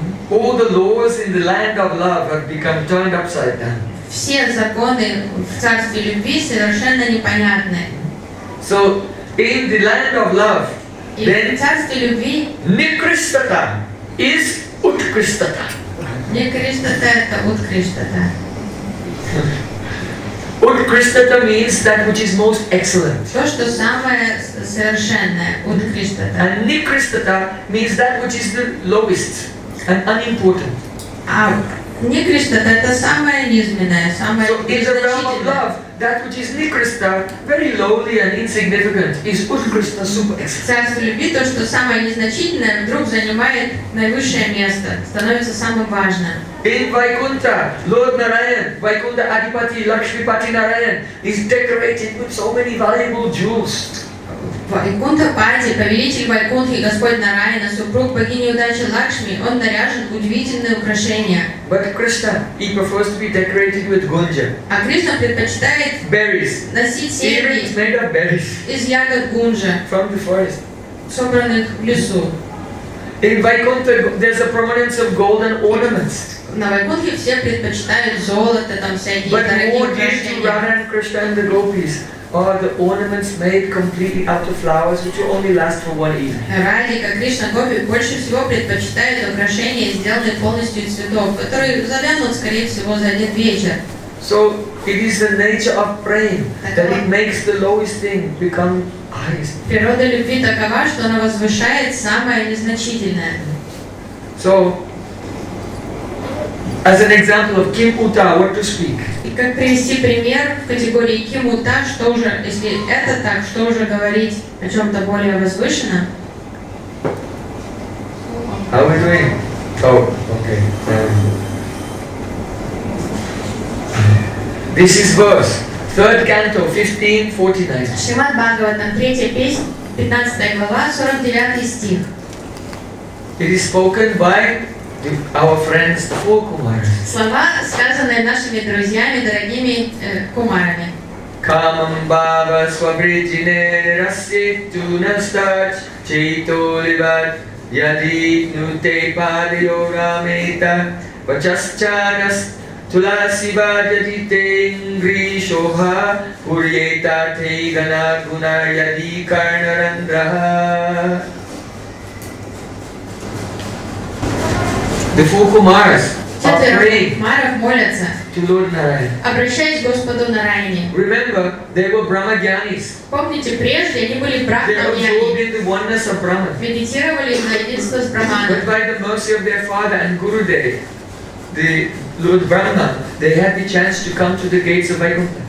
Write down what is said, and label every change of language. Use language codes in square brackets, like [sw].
[en] All the laws in the land of love have become turned upside down. [ru] Все законы в царстве любви совершенно непонятны. [en] So in the land of love, then [ru] царство любви [en] Nikrishtata is Utkrishtata. [ru] Nikrishtata это Utkrishtata. [en] Utkrishtata means that which is most excellent. [ru] То, что самое совершенное, Utkrishtata. [en] And Nikrishtata means that which is the lowest and unimportant. [ru] А Nikrishtata это самое низменное, самое незначительное. [en] So in the realm of love, that which is Nikrishtata, very lowly and insignificant, is Utkrishtata super excellent. [ru] Царство любви, то, что самое незначительное, вдруг занимает наивысшее место, становится самым важным. [en] In Vaikuntha, Lord Narayan, Vaikuntha Adipati, Lakshmipati Narayan, is decorated with so many valuable jewels. [ru] Vaikuntha Pati, повелитель Вайкунтхи, Господь Нараяна, супруг богини удачи Лакшми, он наряжен удивительные украшения. [en] But Krishna, he prefers to be decorated with gunja. [ru] А Кришна предпочитает [en] berries. [ru] Носить семьи. [en] It's made of berries. [ru] Из ягод гунжа. [en] From the forest. [ru] Собранных в лесу. [en] In Vaikuntha, there's a prominence of golden ornaments. [ru] На Вайкунтхе все предпочитают золото, там всякие дорогие украшения. Радика, Кришна, Гопи больше всего предпочитают украшения, сделанные полностью из цветов, которые завянут, скорее всего, за один вечер. [en] So it is the nature of praying that it makes the lowest thing become highest. [ru] Природа любви такова, что она возвышает самое незначительное. [en] So as an example of Kim Uta, what to speak? [ru] И как привести пример в категории Kim Uta, что уже, если это так, что уже говорить о чем-то более возвышенном? [en] How are we doing? Oh, okay. This is verse, third canto, 15:49. [ru] Шримад Бхагаватам, третья песня, 15 глава, 49 стих. [en] It is spoken by our friends, the four Kumaras. [ru] Слова, сказанные нашими друзьями, дорогими Кумарами. [sa] Камам бхава свабриджине расситу настач чайтолибад яди нуте пади йога мета вачасчарас Tulasiva jadite ingri shoha uryeta te gana guna yadi karna randraha. [en] The four Kumaras are praying to Lord Narayan. [ru] Обращаясь к Господу Нарайне. [en] Remember, they were Brahmagyanis. [ru] Помните, прежде они были [en] Брахмагьяни. They absorbed in the oneness of Brahman. [ru] Медитировали на единство с Брахманом. [en] But by the mercy of their father and Gurudev, the Lord Brahma, they had the chance to come to the gates of Vaikuntha.